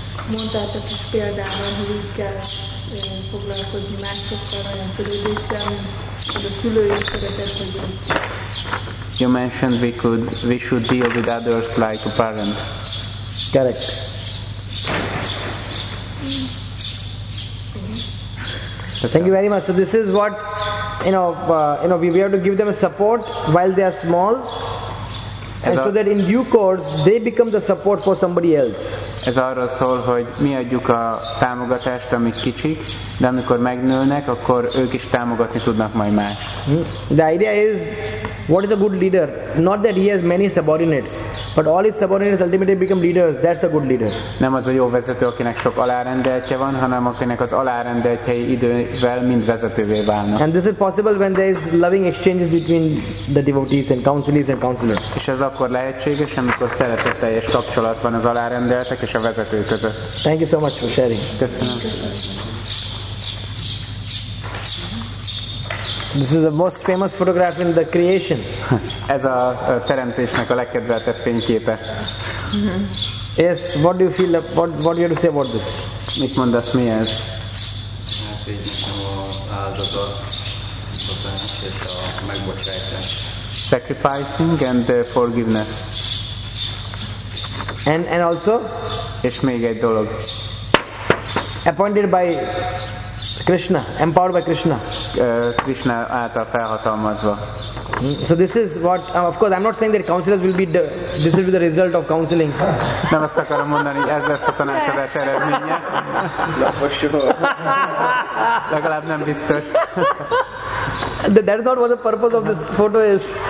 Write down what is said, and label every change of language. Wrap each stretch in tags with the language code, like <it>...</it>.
<hu>Mondtátok is példában, hogy így kell foglalkozni másokkal, olyan törődéssel, hogy a szülői szeretet, hogy</hu> <en>you mentioned we should deal with others like a parent. Correct. Thank you very much. So this is what we have to give them support while they are small, and so that in due course they become the support for somebody else.</en> <hu>Ez arról szól, hogy mi adjuk a támogatást, amik kicsik, de amikor megnőnek, akkor ők is támogatni tudnak majd mást.</hu> <en>The idea is, what is a good leader? Not that he has many subordinates, but all his subordinates ultimately become leaders. That's a good leader.</en> <hu>Nem az a jó vezető, akinek sok alárendeltje van, hanem akinek az alárendeltjei idővel mind vezetővé válnak.</hu> <en>And this is possible when there is loving exchanges between the devotees and counselees and counselors.</en> <hu>És ez akkor lehetséges, amikor szeretetteljes kapcsolat van az alárendeltek és a vezető között.</hu> <en>Thank you so much for sharing.</en> <hu>Köszönöm.</hu> <en>This is the most famous photograph in the creation.</en> <hu>Ez a teremtésnek a legkedveltebb fényképe.</hu> <en>Yes, what do you feel, what do you have to say about this?</en> <hu>Mit mondasz, mi ez?</hu> <en>Sacrificing and forgiveness. And also?</en> <hu>És még egy dolog.</hu> <en>Appointed by Krishna, empowered by Krishna.</en> <hu>Krishna által felhatalmazva.</hu> <en>So this is what, of course I'm not saying that counselors will be, this will be the result of counseling.</en> <hu>Nem azt akarom mondani, ez lesz a tanácsadás eredménye.</hu> <en>Na, for sure.</en> <hu>Legalább nem biztos.</hu> <en>That's not what the purpose of this photo is.</en>